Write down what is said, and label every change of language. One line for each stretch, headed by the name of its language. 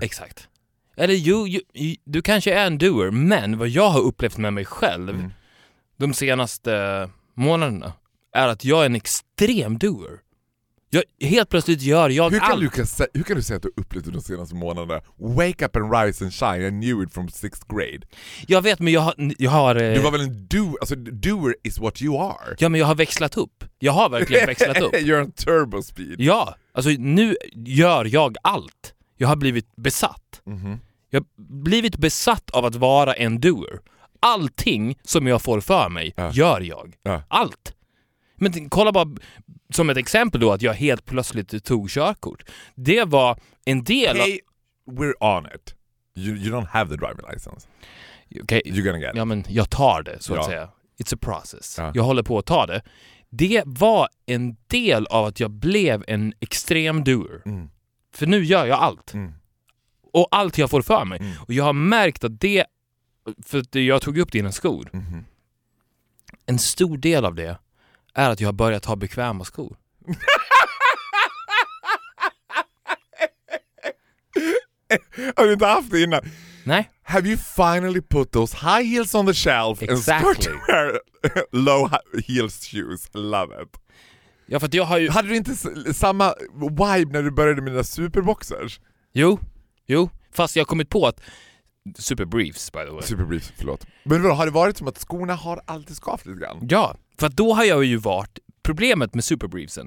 Swedish: Exakt. Eller du kanske är en doer, men vad jag har upplevt med mig själv, mm, de senaste månaderna är att jag är en extrem doer. Jag, helt plötsligt gör jag hur kan allt. Hur kan du säga att du upplevt de senaste månaderna?
English: Wake up and rise and shine, I knew it from sixth grade.
Swedish: Jag vet, men jag har... Du var väl en doer, alltså
English: doer is what you are.
Swedish: Ja, men jag har växlat upp. Jag har verkligen växlat upp.
English: You're on turbo speed.
Swedish: Ja, alltså nu gör jag allt. Jag har blivit besatt. Mm-hmm. Jag har blivit besatt av att vara en doer. Allting som jag får för mig gör jag. Allt. Men kolla bara, som ett exempel då, att jag helt plötsligt tog körkort. Det var en del av...
English: Hey, we're on it. You don't have the driving license. Okay. You're gonna get it.
Swedish: Ja, men jag tar det, så att säga.
English: It's a process.
Swedish: Jag håller på att ta det. Det var en del av att jag blev en extrem doer. Mm. För nu gör jag allt. Mm. Och allt jag får för mig. Mm. Och jag har märkt att det... För att jag tog upp dina skor. Mm-hmm. En stor del av det är att jag har börjat ha bekväma skor. Har du inte haft det innan? Nej.
English: Have you finally put those high heels on the shelf? Exactly. And start to wear low heels shoes? Love it.
Swedish: Ja, för att jag har ju... Hade du inte samma vibe när du började med dina superboxers? Jo. Fast jag har kommit på att...
English: Superbriefs, by the way.
Swedish: Superbriefs, förlåt. Men vadå, har det varit som att skorna har alltid skavt lite grann? Ja, för då har jag ju varit problemet med superbriefsen.